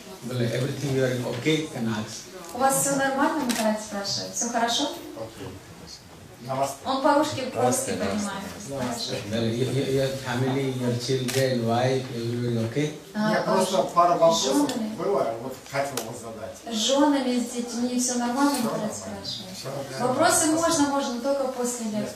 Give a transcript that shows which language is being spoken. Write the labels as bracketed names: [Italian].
[English] Everything you are okay, can ask. [Russian] У вас все нормально, Махарадж спрашивает? Все хорошо? [English] Okay. [Russian] Он по-русски просто понимает. [English] Well, your family, your children, wife, everybody okay? [Russian] Просто пара вопросов было, вот хотел вам задать. С женами, с детьми все нормально, Махарадж спрашивает? Вопросы можно, можно только после лекции.